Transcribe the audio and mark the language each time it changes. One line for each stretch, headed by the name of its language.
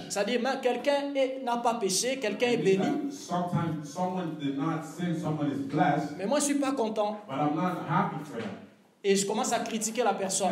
French: C'est-à-dire, mais quelqu'un n'a pas péché, quelqu'un est béni.
English: Sometimes someone did not sin, someone is blessed.
French: Mais moi, je ne suis pas content.
English: But I'm not happy for him.
French: Et je commence à critiquer la personne.